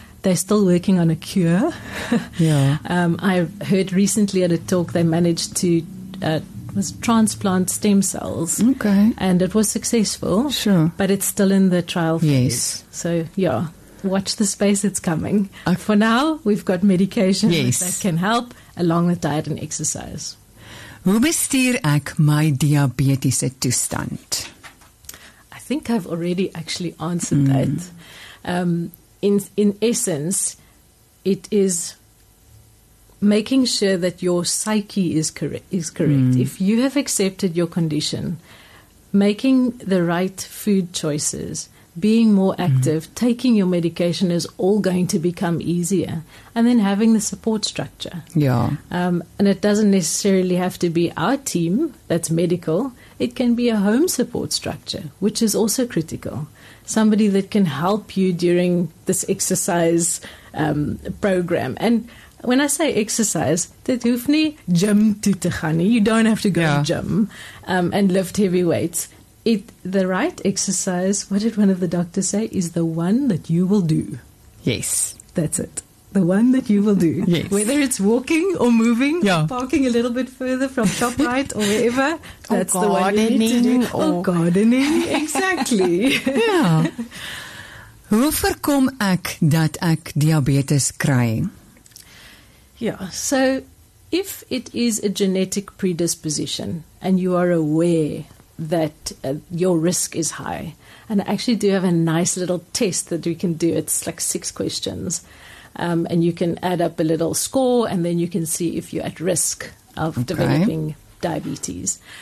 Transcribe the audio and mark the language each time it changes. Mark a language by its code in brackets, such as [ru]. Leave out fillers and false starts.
[en] They're still working on a cure. I heard recently at a talk they managed to transplant stem cells. Okay. And it was successful. Sure. But it's still in the trial phase. Yes. So, yeah, watch the space. It's coming. For now, we've got medication that can help along with diet and exercise. [af] Hoe bestuur ek my diabetiese toestand? [en] I think I've already actually answered that. In essence, it is making sure that your psyche is correct. If you have accepted your condition, making the right food choices, being more active, taking your medication is all going to become easier. And then having the support structure. Yeah. And it doesn't necessarily have to be our team that's medical. It can be a home support structure, which is also critical. Somebody that can help you during this exercise program. And when I say exercise, [af] dit hoef nie gym toe te gaan nie. [en] You don't have to go to gym and lift heavy weights. The right exercise, what did one of the doctors say, is the one that you will do. Yes. That's it. The one that you will do. Yes. Whether it's walking or moving, or parking a little bit further from ShopRite or wherever, that's the one you need to do. Or gardening. Exactly. [af] Hoe voorkom ek dat ek diabetes kry? [en] Yeah, so if it is a genetic predisposition and you are aware that your risk is high, and I actually do have a nice little test that we can do. It's like 6 questions. And you can add up a little score, and then you can see if you're at risk of developing diabetes.